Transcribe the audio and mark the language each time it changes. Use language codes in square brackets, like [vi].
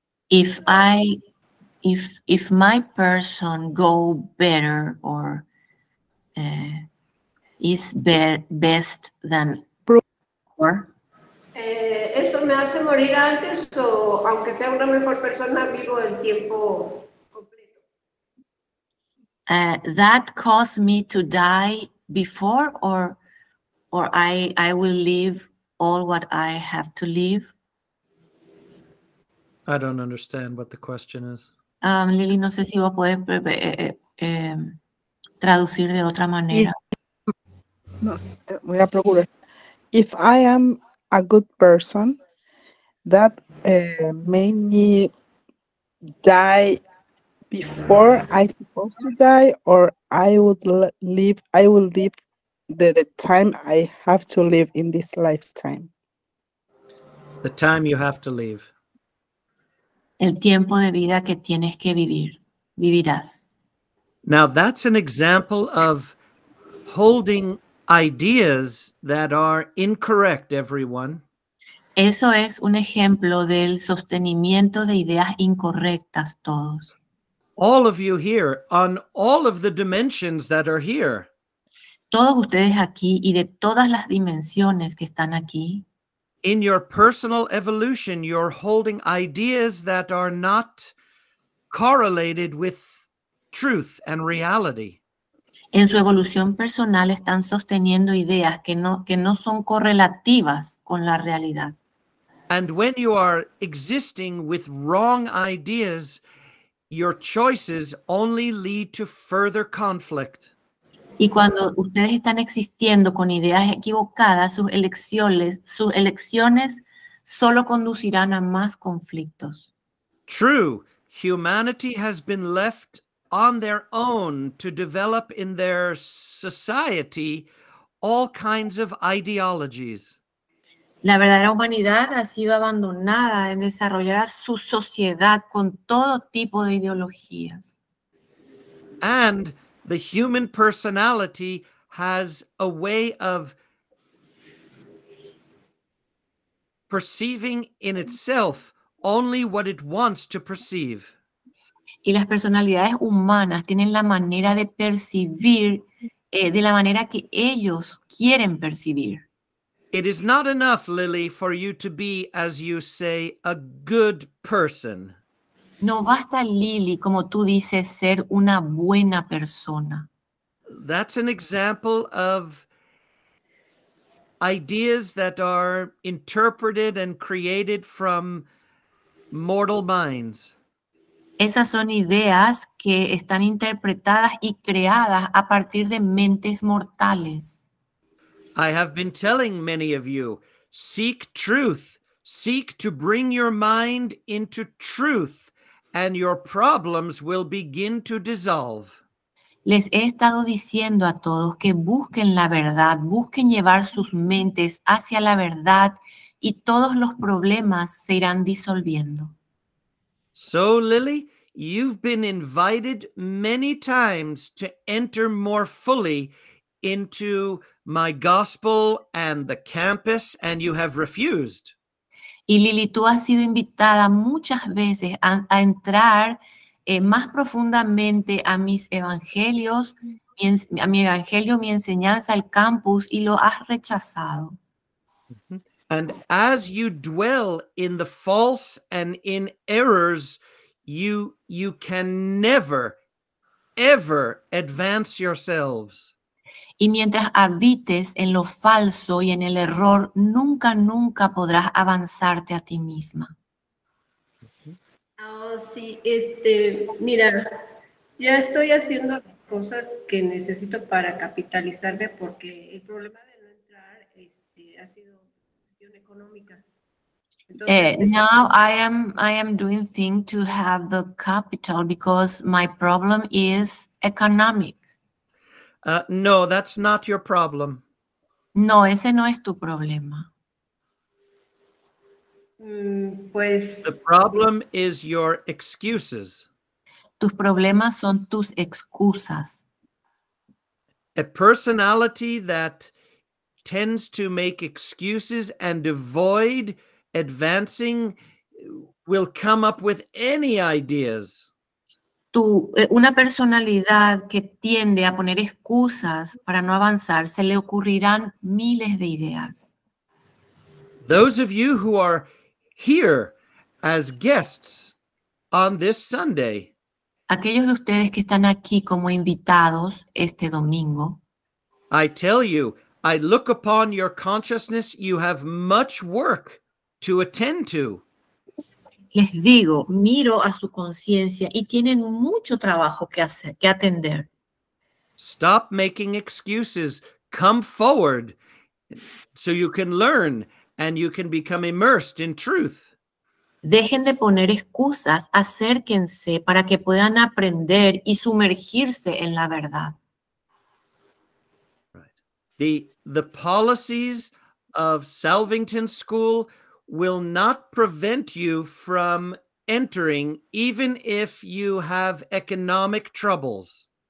[en] If my person go better or is best than before, [es] eso me hace morir antes o aunque sea una mejor persona vivo el tiempo completo. [en] That caused me to die before or I will live all what I have to live. I don't understand what the question is. [es] Lily, no sé si vos podés traducir de otra manera. Voy a procurar. [en] If I am a good person, that made me die before I'm supposed to die, or I will live the time I have to live in this lifetime? The time you have to live. [es] El tiempo de vida que tienes que vivir, vivirás. [en] Now that's an example of holding ideas that are incorrect, everyone. [es] Eso es un ejemplo del sostenimiento de ideas incorrectas, todos. [en] All of you here, on all of the dimensions that are here. [es] Todos ustedes aquí y de todas las dimensiones que están aquí. [en] In your personal evolution, you're holding ideas that are not correlated with truth and reality. [es] En su evolución personal están sosteniendo ideas que no son correlativas con la realidad. [en] And when you are existing with wrong ideas, your choices only lead to further conflict. [es] Y cuando ustedes están existiendo con ideas equivocadas, sus elecciones solo conducirán a más conflictos. [en] True, humanity has been left on their own to develop in their society all kinds of ideologies. [es] La verdadera humanidad ha sido abandonada en desarrollar su sociedad con todo tipo de ideologías. [en] And the human personality has a way of perceiving in itself only what it wants to perceive. [es] Y las personalidades humanas tienen la manera de percibir de la manera que ellos quieren percibir. [en] It is not enough, Lily, for you to be, as you say, a good person. [es] No basta, Lily, como tú dices, ser una buena persona. [en] That's an example of ideas that are interpreted and created from mortal minds. [es] Esas son ideas que están interpretadas y creadas a partir de mentes mortales. [en] I have been telling many of you, seek truth, seek to bring your mind into truth, and your problems will begin to dissolve. [es] Les he estado diciendo a todos que busquen la verdad, busquen llevar sus mentes hacia la verdad, y todos los problemas se irán disolviendo. [en] So, Lily, you've been invited many times to enter more fully into my gospel and the campus, and you have refused. [es] Y Lily, tú has sido invitada muchas veces a entrar más profundamente a mis evangelios, a mi evangelio, mi enseñanza, al campus, y lo has rechazado. [en] And as you dwell in the false and in errors, you can never, ever advance yourselves. [es] Y mientras habites en lo falso y en el error, nunca, nunca podrás avanzarte a ti misma. Oh, sí, mira, ya estoy haciendo cosas que necesito para capitalizarme porque el problema de no entrar ha sido cuestión económica. [en] Now I am doing things to have the capital because my problem is economic. No, that's not your problem. [es] No, ese no es tu problema. [en] The problem is your excuses. [es] Tus problemas son tus excusas. [en] A personality that tends to make excuses and avoid advancing will come up with any ideas. [es] Una personalidad que tiende a poner excusas para no avanzar, se le ocurrirán miles de ideas. [en] Those of you who are here as guests on this Sunday, [es] aquellos de ustedes que están aquí como invitados este domingo, [en] I tell you, I look upon your consciousness, you have much work to attend to. [es] Les digo, miro a su conciencia y tienen mucho trabajo que hacer, que atender. [en] Stop making excuses. Come forward so you can learn and you can become immersed in truth. [es] Dejen de poner excusas, acérquense para que puedan aprender y sumergirse en la verdad. [en] The policies of Salvington School will not prevent you from entering, even if you have economic troubles.